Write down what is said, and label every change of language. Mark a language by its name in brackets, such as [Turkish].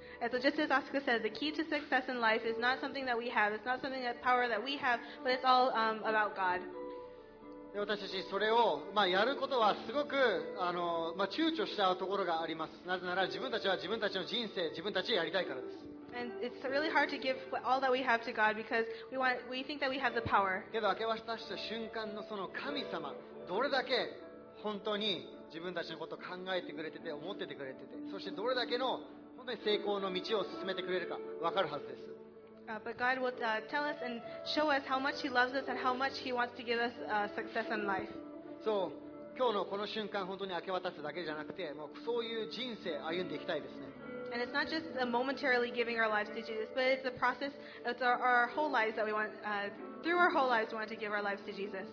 [English] So just as Asuka said, the key to success in life is not something that we have, it's not something that power that we have, but it's all about God. [Japanese] 私たちそれを、まあ、やることはすごくまあ、躊躇しちゃうところがあります。なぜなら自分たちは自分たちの人生、自分たちでやりたいからです。 [English] And it's really hard to give all that we have to God because we think that we have the power. [Japanese] けど明け渡した瞬間のその神様、どれだけ本当に自分たちのことを考えてくれてて、思っててくれてて、そしてどれだけの本当に成功の道を進めてくれるか分かるはずです。 [English] But God will tell us and show us how much He loves us and how much He wants to give us success in life. [Japanese] So, 今日のこの瞬間本当に明け渡すだけじゃなくて、もうそういう人生歩んでいきたいですね。 [English] And it's not just momentarily giving our lives to Jesus, but it's the process, it's our whole lives that we want, through our whole lives we want to give our lives to Jesus.